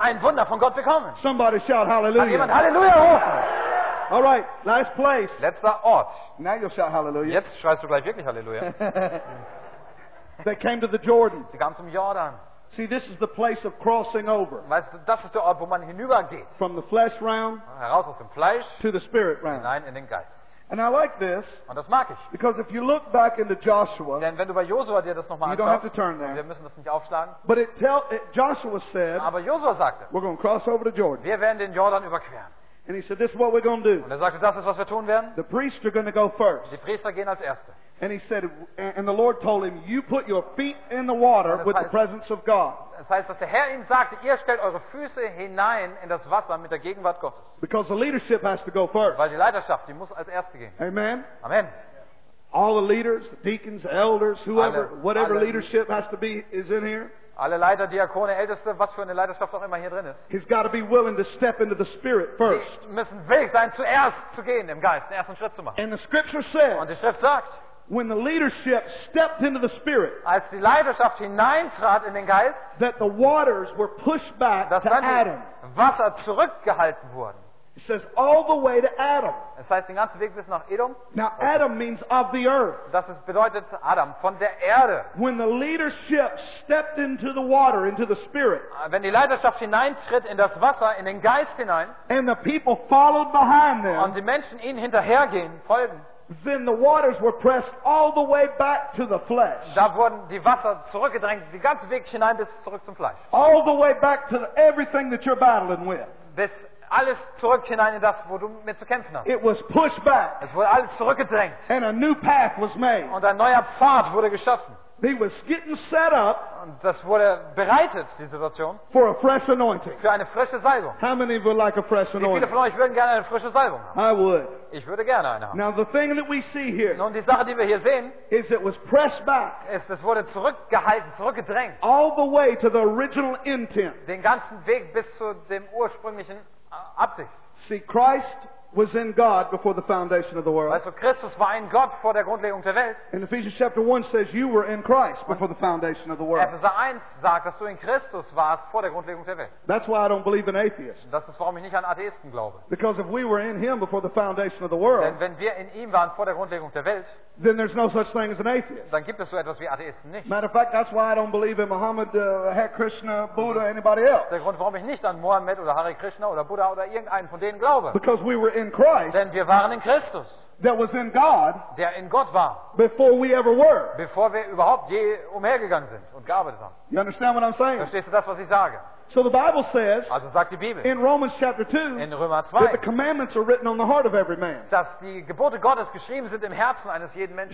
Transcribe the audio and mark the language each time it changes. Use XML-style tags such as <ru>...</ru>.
<de>Ein Wunder von Gott bekommen.</de> <en>Somebody shout hallelujah.</en> <de>Hat jemand Halleluja rufen?</de> <en>All right, last place.</en> <de>Letzter Ort.</de> <en>Now you'll shout hallelujah.</en> <de>Jetzt schreist du gleich wirklich hallelujah.</de> <en>They came to the Jordan.</en> <de>Sie kamen zum Jordan.</de> <en>See, this is the place of crossing over.</en> <de>Weißt du, das ist der Ort, wo man hinübergeht.</de> <en>From the flesh realm.</en> <de>Heraus aus dem Fleisch.</de> <en>To the spirit realm.</en> <de>Hinein in den Geist.</de> <en>And I like this.</en> <de>Und das mag ich.</de> <en>Because if you look back into Joshua.</en> <de>Denn wenn du bei Josua dir das nochmal anschaust.</de> <en>You don't have to turn there.</en> <de>Wir müssen das nicht aufschlagen.</de> <en>But it Joshua said.</en> <de>Aber Josua sagte.</de> <en>We're going to cross over the Jordan.</en> <de>Wir werden den Jordan überqueren.</de> <en>And he said, "This is what we're going to do."</en> <de>Und sagte, das ist, was wir tun werden.</de> <en>The priests are going to go first.</en> <de>Die Priester gehen als Erste.</de> <en>And he said, and the Lord told him, "You put your feet in the water with the presence of God."</en> <de>Das heißt, dass der Herr ihm sagte, ihr stellt eure Füße hinein in das Wasser mit der Gegenwart Gottes.</de> <en>Because the leadership has to go first.</en> <de>Weil die Leiterschaft, die muss als Erste gehen.</de> <en>Amen.</en> <de>Amen.</de> <en>All the leaders, the deacons, elders, whoever, whatever leadership has to be is in here.</en> <de>Alle Leiter, Diakone, Älteste, was für eine Leiterschaft auch immer hier drin ist.</de> <en>He's got to be willing to step into the Spirit first.</en> <de>Sie müssen willig sein, zuerst zu gehen im Geist, den ersten Schritt zu machen.</de> <en>And the Scripture says.</en> <de>Und die Schrift sagt.</de> <en>When the leadership stepped into the Spirit,</en> <de>als die Leiterschaft hineintrat in den Geist,</de> <en>that the waters were pushed back</en> <de>dass</de> <en>to Adam.</en> <de>Wasser zurückgehalten wurden.</de> <en>It says all the way to Adam.</en> <de>Es heißt den ganzen Weg bis nach Edom.</de> <en>Now Adam means of the earth.</en> <de>Das bedeutet Adam, von der Erde.</de> <en>When the leadership stepped into the water, into the Spirit,</en> <de>wenn die Leiterschaft hineintritt in das Wasser, in den Geist hinein,</de> <en>and the people followed behind them,</en> <de>und die Menschen ihnen hinterhergehen, folgen,</de> <en>then the waters were pressed all the way back to the flesh.</en> <de>Da wurden die Wasser zurückgedrängt, den ganzen Weg hinein bis zurück zum Fleisch.</de> <en>All the way back to the, everything that you're battling with.</en> <de>Bis alles zurück hinein in das, wo du mit zu kämpfen hast.</de> <en>It was pushed back.</en> <de>Es wurde alles zurückgedrängt.</de> <en>And a new path was made.</en> <de>Und ein neuer Pfad wurde geschaffen.</de> <en>He was getting set up.</en> <de>Und das wurde bereitet, die Situation.</de> <en>For a fresh anointing.</en> <de>Für eine frische Salbung.</de> <en>How many would like a fresh anointing?</en> <de>Wie viele von euch würden gerne eine frische Salbung haben?</de> <en>I would.</en> <de>Ich würde gerne eine haben.</de> <en>Now the thing that we see here.</en> <de>Nun, die Sache, die wir hier sehen,</de> <en>is it was pressed back.</en> <de>Ist, es wurde zurückgehalten, zurückgedrängt.</de> <en>All the way to the original intent.</en> <de>Den ganzen Weg bis zu dem ursprünglichen Absicht.</de> <en>See, Christ was in God before the foundation of the world.</en> <de>Weißt du, Christus war in Gott vor der Grundlegung der Welt.</de> <en>In Ephesians chapter 1 says you were in Christ before the foundation of the world.</en> <de>Epheser 1 sagt, dass du in Christus warst vor der Grundlegung der Welt.</de> <en>That's why I don't believe in atheists.</en> <de>Das ist, warum ich nicht an Atheisten glaube.</de> <en>Because if we were in him before the foundation of the world,</en> <de>denn wenn wir in ihm waren vor der Grundlegung der Welt,</de> <en>then there's no such thing as an atheist.</en> <de>Dann gibt es so etwas wie Atheisten nicht.</de> <en>Matter of fact, that's why I don't believe in Muhammad, Hare Krishna, Buddha, anybody else.</en> <de>Der Grund, warum ich nicht an Mohammed oder Hare Krishna oder Buddha oder irgendeinen von denen glaube.</de> <en>Because we were in Christ.</en> <de>Denn wir waren in Christus.</de> <en>That was in God.</en> <de>Der in Gott war.</de> <en>Before we ever were.</en> <de>Bevor wir überhaupt je umhergegangen sind und gearbeitet haben.</de> <en>You understand what I'm saying?</en> <de>Verstehst du das, was ich sage?</de> <en>So the Bible says,</en> <de>also sagt die Bibel,</de> <en>in Romans chapter 2,</en> <de>in Römer 2,</de> <en>that the commandments are written on the heart of every man.</en> <de>Dass die Gebote Gottes geschrieben sind im Herzen eines jeden Menschen.</de>